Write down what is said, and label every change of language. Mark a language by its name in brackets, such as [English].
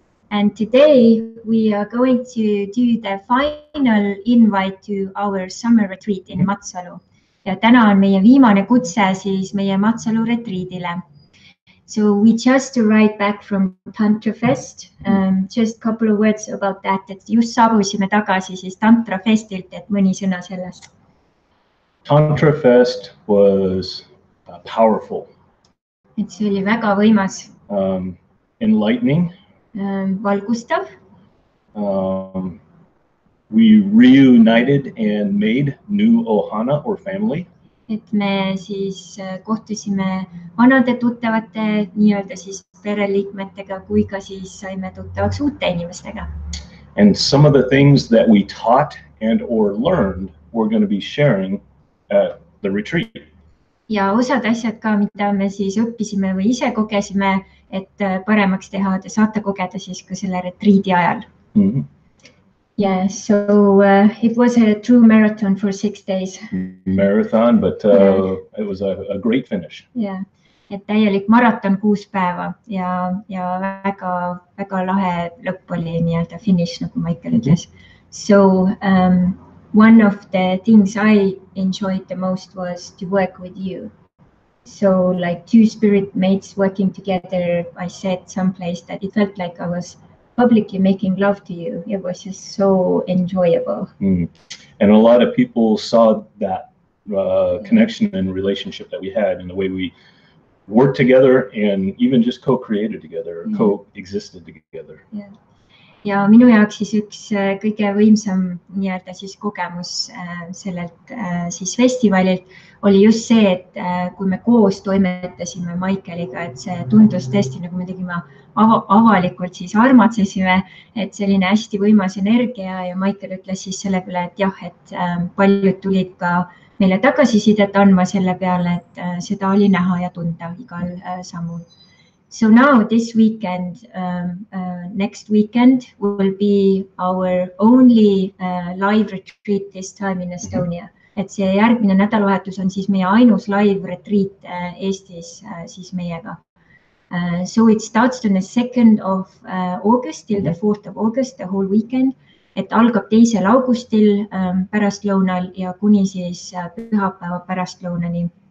[English] And today we are going to do the final invite to our summer retreat in Matsalu. [Estonian] Ja täna on meie viimane kutse siis meie Matsalu retriidile. [English] So we just arrived back from Tantra Fest. Just a couple of words about that. [Estonian] Et just saabusime tagasi siis Tantra Festilt, et mõni sõna sellest. [English] Tantra Fest was powerful. [Estonian] Et see oli väga võimas. [English] Enlightening. [Estonian] Valgustav. [English] We reunited and made new ohana or family. [Estonian] Et me siis kohtusime vanade tuttavate, nii-öelda siis pereliikmetega, kui ka siis saime tuttavaks uute inimestega. [English] And some of the things that we taught and or learned, we're going to be sharing at the retreat. [Estonian] Ja osad asjad ka, mida me siis õppisime või ise kogesime, et paremaks teha, te saate kogeda siis ka selle retriidi ajal. [English] Yeah, so it was a true marathon for 6 days. Marathon, but it was a great finish. [Estonian] Yeah, et täielik maraton 6 päeva ja väga, väga lahe lõpp oli nii-öelda finish, nagu Michael ütles. [English] So one of the things I enjoyed the most was to work with you. So like two spirit mates working together, I said someplace that it felt like I was publicly making love to you. It was just so enjoyable. And a lot of people saw that connection and relationship that we had in the way we worked together and even just co-created together, co-existed together. [Estonian] Ja minu jaoks siis üks kõige võimsam nii-öelda siis kogemus sellelt siis festivalilt oli just see, et kui me koos toimetasime Michaeliga, et see tundus tõesti, nagu me tegime avalikult siis armatsesime, et selline hästi võimas energia ja Michael ütles siis selle peale, et jah, et paljud tulid ka meile tagasi sidet andma selle peale, et seda oli näha ja tunda igal samul. [English] So now this weekend, next weekend will be our only live retreat this time in Estonia. [Estonian] Et see järgmine nädalavahetus on siis meie ainus live retreat Eestis siis meiega. [English] So it starts on the 2nd of August till the 4th of August, the whole weekend. [Estonian] Et algab 2. augustil pärast lõunal ja kuni siis pühapäeva pärast lõunani.